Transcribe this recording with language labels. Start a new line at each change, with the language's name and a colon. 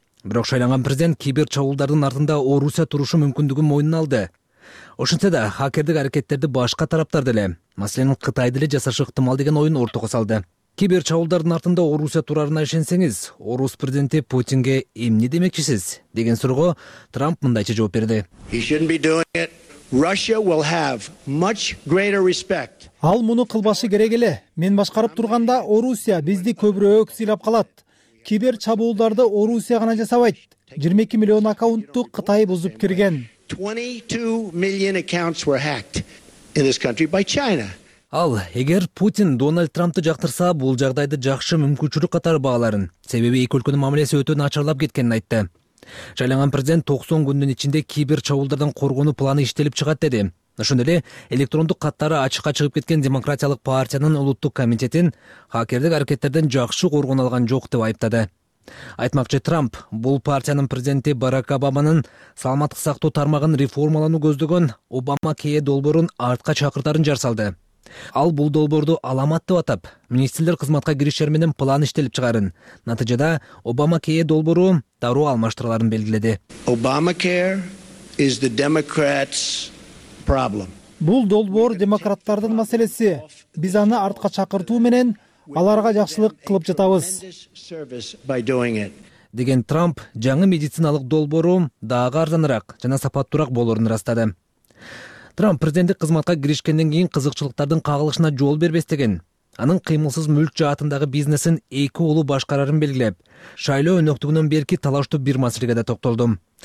Kyrgyz: Бирок шайланган президент кибер чабуулдардын артында Орусия турушу мүмкүндүгүн мойнуна алды. Ошентсе да хакердик аракеттерди башка тараптар деле, маселен Кытай деле жасашы ыктымал деген оюн ортого салды. Кибер чабуулдардын артында Орусия турарына ишенсеңиз, орус президенти Путинге эмне демекчисиз деген суроого Трамп мындайча жооп берди.
English: Russia will have much greater respect.
Kyrgyz: Ал муну кылбашы керек эле. Мен башкарып турганда Орусия бизди көбүрөөк сыйлап калат. Кибер чабуулдарды Орусия гана жасабайт. 22 миллион аккаунтту Кытай бузуп кирген.
English: 22 million accounts were hacked in this country by China.
Kyrgyz: Ал эгер Путин Дональд Трампты жактырса, бул жагдайды жакшы мүмкүнчүлүк катары бааларын, себеби эки өлкөнүн мамилеси өтө начарлап кеткенин айтты. Шайланган президент 90 күндүн ичинде кибер чабуулдардан коргонуу планы иштелип чыгат деди. Ошондой эле электрондук каттары ачыкка чыгып кеткен Демократиялык партиянын улуттук комитетин хакердик аракеттерден жакшы коргоно алган жок деп айыптады. Айтмакчы, Трамп бул партиянын президенти Барак Обаманын саламаттык сактоо тармагын реформалану көздөгөн Обама кее долбоорун артка чакыртарын жар салды. Ал бул долбоорду аламат деп атап, министрлер кызматка киришер менен план иштелип чыгарын, натыйжада Обама кее долбоору дароо алмаштырыларын белгиледи.
English: Obamacare is the Democrats' problem.
Kyrgyz: Бул долбоор демократтардын маселеси. Биз аны артка чакыртуу менен аларга жакшылык кылып жатабыз. Деген Трамп жаңы медициналык долбоору дагы арзаныраак жана сапаттуураак болорун ырастады. Трамп президенттик кызматка киришкенден кийин кызыкчылыктардын кагылышына жол бербестеген, анын кыймылсыз мүлк жаатындагы бизнесин эки уулу башкарарын белгилеп, шайлоо өнөктүгүнөн берки талаштуу бир маселеге да токтолдум.